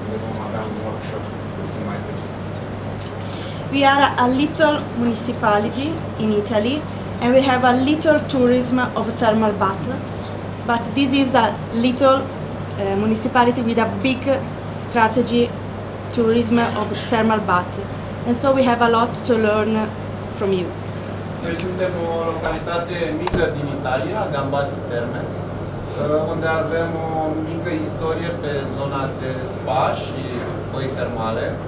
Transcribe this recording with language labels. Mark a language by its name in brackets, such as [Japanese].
[Romanian] Vom avea un workshop puțin mai târziu. [English] We are a little municipality in Italy and we have a little tourism of thermal bath, but this is a little municipality with a big strategy tourism of thermal bath, and so we have a lot to learn from you. [Romanian] Noi suntem o localitate mică din Italia, Gambassi Terme, unde avem o mică istorie pe zona de spa și băi termale.